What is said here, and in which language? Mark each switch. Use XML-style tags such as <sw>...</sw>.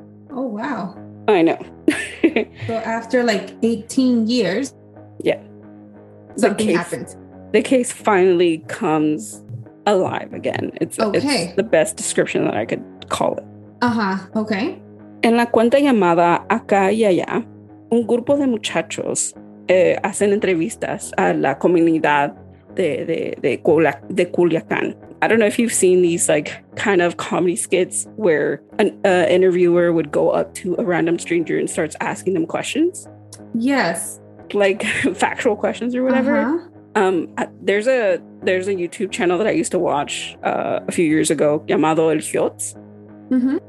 <en>Oh, wow. I know. So after like 18 years. Yeah. Something happened. The case finally comes alive again. It's, okay. It's the best description that I could call it. Uh-huh. Okay.</en> <es>En la cuenta llamada Acá y Allá, un grupo de muchachos hacen entrevistas a la comunidad de Culiacán.</es> <en>I don't know if you've seen these like kind of comedy skits where an interviewer would go up to a random stranger and starts asking them questions. Yes. Like factual questions or whatever. Uh-huh. There's a YouTube channel that I used to watch a few years ago,</en> <es>llamado</es> <en>El Fiotz. Mm-hmm.</en>